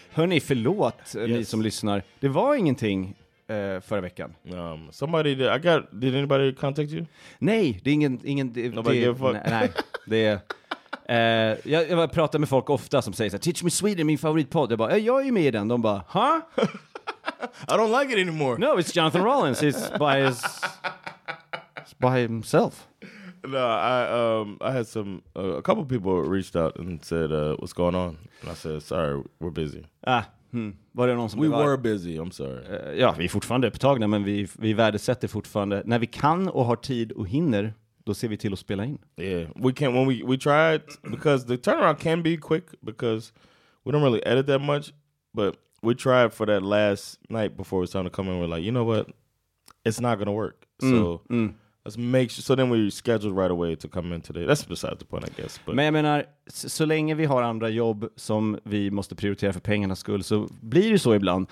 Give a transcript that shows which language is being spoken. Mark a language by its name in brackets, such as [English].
[Swedish] Hörrni, förlåt ni som lyssnar. Det var ingenting förra veckan. [English] Somebody did, I got, did anybody contact you? [Swedish] Nej, det är ingen det, [English] nobody [Swedish] det, [English] give a fuck. [Swedish] Nej, det är jag pratar med folk ofta som säger så här, Teach Me Sweden, min favoritpodd. Jag bara, jag är ju med i den. De bara, huh? [English] I don't like it anymore. No, it's Jonathan Rollins. He's by his by himself. No, I had some a couple of people reached out and said what's going on, and I said sorry, we're busy. [Swedish] Var det någon som [English] we var? Were busy. I'm sorry. [Swedish] Ja, vi är fortfarande upptagna, men vi värdesätter fortfarande när vi kan och har tid och hinner, då ser vi till att spela in. [English] Yeah, we can when we try it because the turnaround can be quick because we don't really edit that much, but we tried for that last night before it's time to come in. We're like, you know what, it's not gonna work. Let's make sure, so then we scheduled right away to come in today. That's beside the point, I guess. But. [Swedish] Men jag menar, så länge vi har andra jobb som vi måste prioritera för pengarnas skull så blir det så ibland.